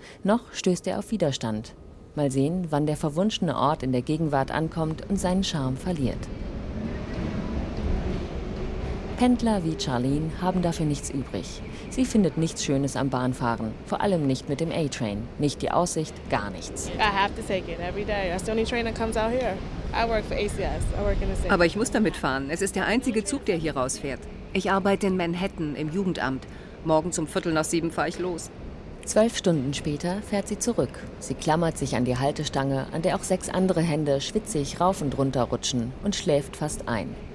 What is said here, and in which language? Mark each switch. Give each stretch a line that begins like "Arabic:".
German: Noch stößt er auf Widerstand. Mal sehen, wann der verwunschene Ort in der Gegenwart ankommt und seinen Charme verliert. Pendler wie Charlene haben dafür nichts übrig. Sie findet nichts Schönes am Bahnfahren, vor allem nicht mit dem A-Train. Nicht die Aussicht, gar nichts.
English: I have to take it every day. That's the only train that comes out here. I work for ACS. I work in the city.
German: Aber ich muss damit fahren. Es ist der einzige Zug, der hier rausfährt. Ich arbeite in Manhattan im Jugendamt. Morgen zum 7:15 fahre ich los. 12 Stunden später fährt sie zurück. Sie klammert sich an die Haltestange, an der auch 6 andere Hände schwitzig rauf und runter rutschen und schläft fast ein.